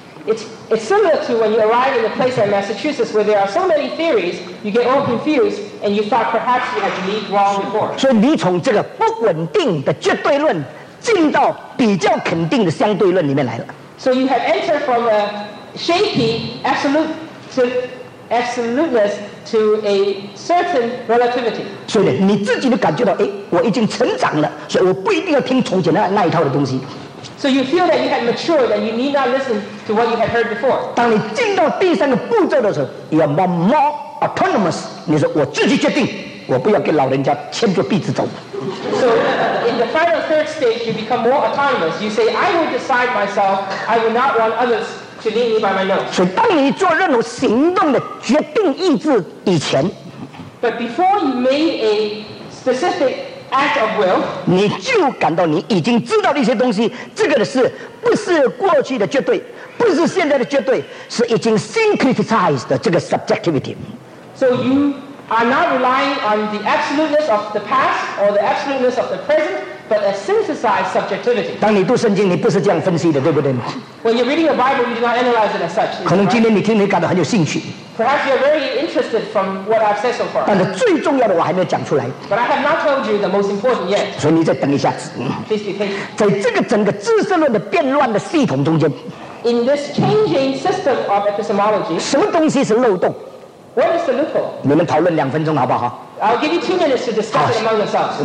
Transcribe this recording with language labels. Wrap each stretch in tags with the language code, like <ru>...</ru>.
<en>It's similar to when you arrive in a place like Massachusetts where there are so many theories, you get all confused, and you thought perhaps you had believed wrong before.</en> <zh>所以你从这个不稳定的绝对论进到比较肯定的相对论里面来了。</zh> <en>So you have entered from a shaky absoluteness to a certain relativity.</en> <zh>所以你自己都感觉到，哎，我已经成长了，所以我不一定要听从前那一套的东西。</zh> <en>So you feel that you have matured and you need not listen to what you have heard before.</en> <zh>当你进到第三个步骤的时候，</zh> <en>you are more autonomous.</en> <zh>你说我自己决定，我不要给老人家牵着鼻子走。</zh> <en>So in the final third stage, you become more autonomous. You say, I will decide myself. I will not want others to lead me by my nose.</en> <zh>所以当你做任何行动的决定意志以前，</zh> <en>But before you made a specific act of will,</en> <zh>你就感到你已经知道的一些东西，这个是不是过去的绝对，不是现在的绝对，是已经 syncretized 的这个 subjectivity.</zh> <en>So you are not relying on the absoluteness of the past or the absoluteness of the present, but a synthesized subjectivity.</en> <zh>当你读圣经，你不是这样分析的，对不对？</zh> <en>When you're reading your Bible, you do not analyze it as such.</en> <zh>可能今天你听你感到很有兴趣。</zh> <en>Perhaps you're very interested from what I've said so far.</en> <zh>但是最重要的我还没有讲出来。</zh> <en>But I have not told you the most important yet.</en> <zh>所以你再等一下子。</zh> <en>Please be patient.</en> <zh>在这个整个知识论的辩论的系统中间，</zh> <en>In this changing system of epistemology,</en> <zh>什么东西是漏洞？</zh> <en>What is the loophole?</en> <zh>你们讨论两分钟好不好？</zh> <en>I'll give you 2 minutes to discuss it among yourselves.</en>